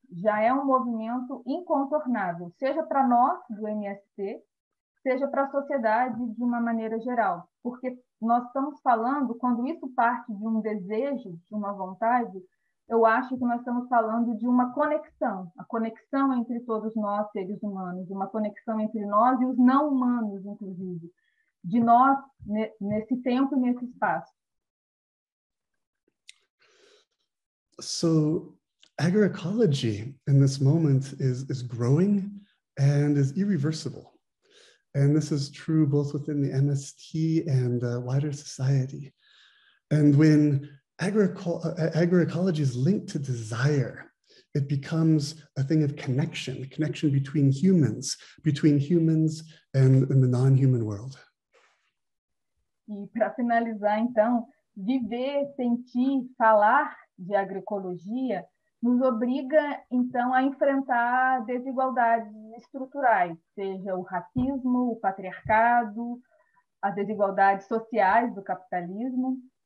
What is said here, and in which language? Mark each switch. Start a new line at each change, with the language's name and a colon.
Portuguese: Já é um movimento incontornável, seja para nós do MST, seja para a sociedade de uma maneira geral, porque nós estamos falando, quando isso parte de um desejo, de uma vontade, eu acho que nós estamos falando de uma conexão, a conexão entre todos nós, seres humanos, uma conexão entre nós e os não humanos, inclusive, de nós nesse tempo e nesse espaço.
English: So, agroecology, in this moment, is growing and is irreversible. And this is true both within the MST and wider society. And when agroecology is linked to desire, it becomes a thing of connection between humans and the non-human world.
Portuguese: E para finalizar, então, viver, sentir, falar de agroecologia nos obriga, então, a enfrentar desigualdades estruturais, seja o racismo, o patriarcado, as desigualdades sociais do capitalismo.